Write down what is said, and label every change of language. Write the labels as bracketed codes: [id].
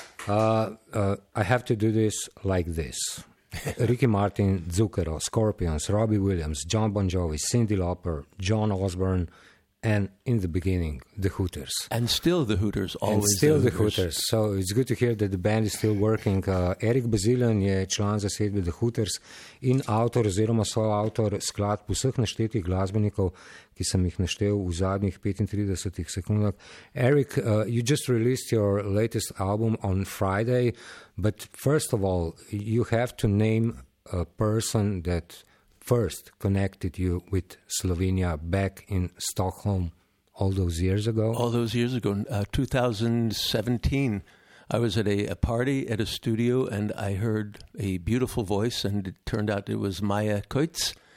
[en] I have to do this like this. Ricky Martin, Zucchero, Scorpions, Robbie Williams, John Bon Jovi, Cyndi Lauper, John Osborne, and in the beginning, the Hooters. And still the Hooters, always. And still the Hooters. So it's good to hear that the band is still working. [sl] Eric Bazilian je član zasedbe The Hooters in avtor oziroma soavtor skladb vseh naštetih glasbenikov, ki sem jih naštel v zadnjih 35 sekundah. [en] Eric, you just released your latest album on Friday, but first of all, you have to name a person that first connected you with Slovenia back in Stockholm all those years ago? All those years ago, 2017, I was at a party at a studio and I heard a beautiful voice and it turned out it was Maya Koitz.